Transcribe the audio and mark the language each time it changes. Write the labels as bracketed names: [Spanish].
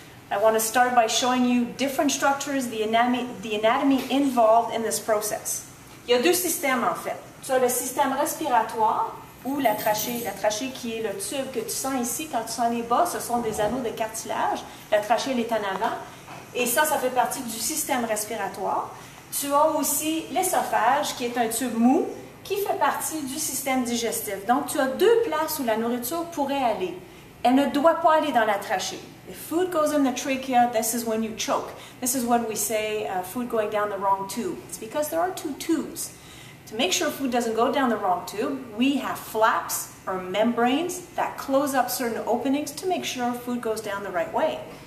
[English] I want to start by showing you different structures, the anatomy involved in this process. [French] Il y a deux systèmes en fait. Tu as le système respiratoire ou la trachée qui est le tube que tu sens ici quand tu sens les bas, ce sont des anneaux de cartilage. La trachée elle est en avant et ça, ça fait partie du système respiratoire. Tu as aussi l'œsophage qui est un tube mou qui fait partie du système digestif. Donc, tu as deux places où la nourriture pourrait aller. Elle ne doit pas aller dans la trachée. [English] If food goes in the trachea, this is when you choke. This is what we say, food going down the wrong tube. It's because there are two tubes. To make sure food doesn't go down the wrong tube, we have flaps or membranes that close up certain openings to make sure food goes down the right way.